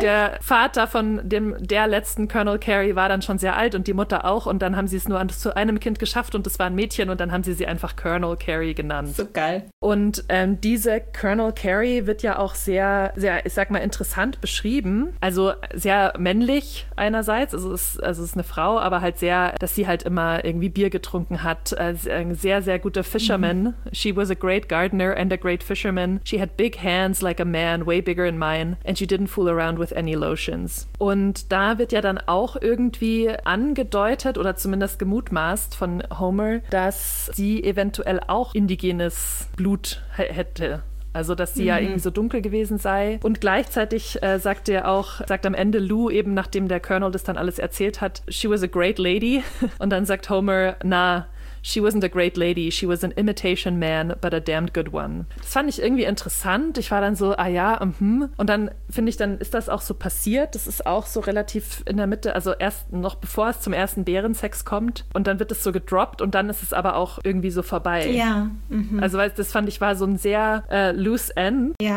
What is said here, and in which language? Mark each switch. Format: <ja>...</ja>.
<de>Der Vater von der letzten Colonel Carey war dann schon sehr alt und die Mutter auch und dann haben sie es nur zu einem Kind geschafft und es war ein Mädchen und dann haben sie einfach Colonel Carey genannt. So geil. Und diese Colonel Carey wird ja auch sehr, sehr, ich sag mal, interessant beschrieben. Also sehr männlich einerseits, also es ist eine Frau, aber halt sehr, dass sie halt immer irgendwie Bier getrunken hat. Ein sehr, sehr guter Fisherman.</de> <en>Mhm. She was a great gardener and a great fisherman. She had big hands like a man and way bigger in mine, and you didn't fool around with any lotions.</en> <de>Und da wird ja dann auch irgendwie angedeutet oder zumindest gemutmaßt von Homer, dass sie eventuell auch indigenes Blut hätte. Also, dass sie ja irgendwie so dunkel gewesen sei. Und gleichzeitig sagt am Ende Lou eben, nachdem der Colonel das dann alles erzählt hat,</de> <en>she was a great lady.</en> <de>Und dann sagt Homer,</de> <en>she wasn't a great lady, she was an imitation man, but a damned good one.</en> <de>Das fand ich irgendwie interessant. Ich war dann so, Und dann finde ich, dann ist das auch so passiert. Das ist auch so relativ in der Mitte, also erst noch bevor es zum ersten Bärensex kommt. Und dann wird es so gedroppt und dann ist es aber auch irgendwie so vorbei. Ja. Also das fand ich, war so ein sehr loose end,</de>